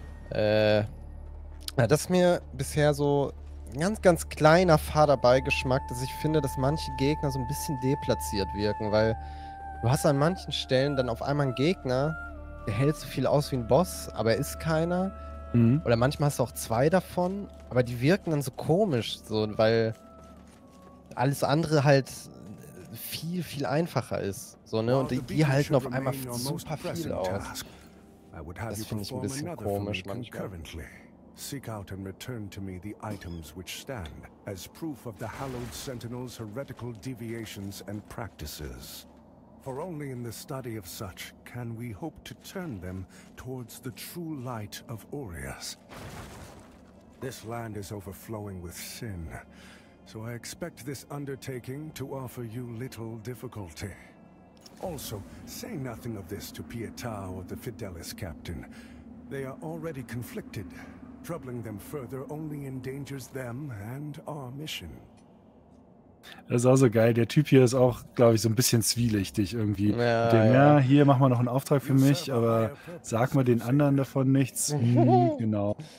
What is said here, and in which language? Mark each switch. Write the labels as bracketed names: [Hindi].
[German] Das ist mir bisher so ein ganz, ganz kleiner fader Beigeschmack, dass ich finde, dass manche Gegner so ein bisschen deplatziert wirken, weil du hast an manchen Stellen dann auf einmal einen Gegner, der hält so viel aus wie ein Boss, aber er ist keiner. Mhm. Oder manchmal hast du auch zwei davon, aber die wirken dann so komisch, so, weil... alles andere halt viel, viel einfacher ist. So, ne? Und die halten auf einmal super viel aus. Das finde ich ein bisschen komisch manchmal. [English] Seek out and return to me the items which stand as proof of the Hallowed Sentinel's heretical deviations and practices. For only in the study of such can we hope to turn them towards the true light of Aureus. This land is overflowing with sin. So I expect this undertaking to offer you little difficulty. Also, say nothing of this to Pietà or the Fidelis captain. They are already conflicted. Troubling them further only endangers them and our mission. [German] Das ist auch so geil. Der Typ hier ist auch, glaube ich, so ein bisschen zwielichtig irgendwie. Ja, hier mach mal noch einen Auftrag für mich, aber sag mal den anderen davon nichts. Genau.